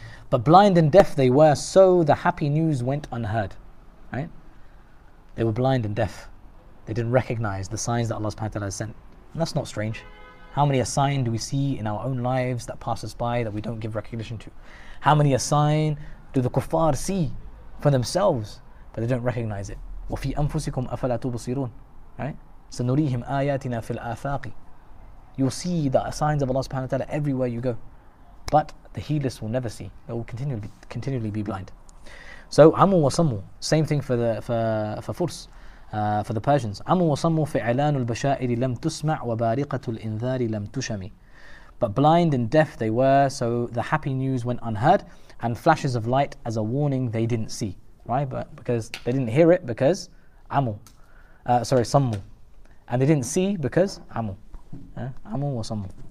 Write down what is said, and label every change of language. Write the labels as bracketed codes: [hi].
[en] But blind and deaf they were, so the happy news went unheard. Right? They were blind and deaf. They didn't recognize the signs that Allah subhanahu wa ta'ala sent. And that's not strange. How many a sign do we see in our own lives that pass us by that we don't give recognition to? How many a sign do the kuffar see for themselves, but they don't recognize it? [ar] وفي أنفسكم أفلا تبصرون, [en] right? [ar] سنريهم آياتنا في الآفاق. [en] You'll see the signs of Allah subhanahu wa ta'ala everywhere you go, but the heedless will never see. They will continually be blind. So [ar] عمو وصمو, [en] same thing for فرس, for the Persians. [ar] عمو وصمو فعلان البشائر لم تسمع وبارقة الإنذار لم تشمي. [en] But blind and deaf they were, so the happy news went unheard, and flashes of light as a warning they didn't see. Right, but because they didn't hear it because amu, sammu, and they didn't see because amu, amu wa sammu.